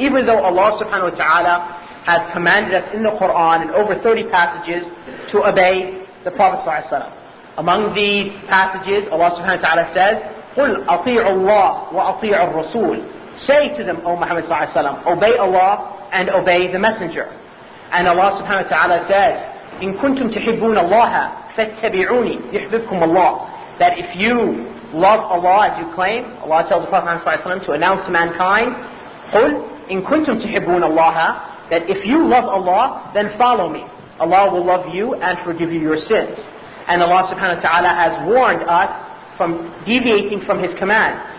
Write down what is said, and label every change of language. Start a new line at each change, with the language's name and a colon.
English: Even though Allah subhanahu wa ta'ala has commanded us in the Quran in over 30 passages to obey the Prophet ﷺ. Among these passages, Allah subhanahu wa ta'ala says,
Arabic: قُلْ أَطِيعُ اللَّهِ وَأَطِيعُ الرَّسُولِ.
English: Say to them, O Muhammad sallallahu alayhi wa sallam, obey Allah and obey the Messenger. And Allah subhanahu wa ta'ala says,
Arabic: إِن كُنْتُمْ تُحِبُّونَ اللَّهَ فَاتَّبِعُونِي يُحْبِبْكُمُ اللَّهِ.
English: that if you love Allah as you claim, Allah tells the Prophet ﷺ to announce to mankind,
Arabic: قُلْ إِن كُنْتُمْ تُحِبُّونَ اللَّهَ,
English: that if you love Allah, then follow me. Allah will love you and forgive you your sins. And Allah subhanahu wa ta'ala has warned us from deviating from His command.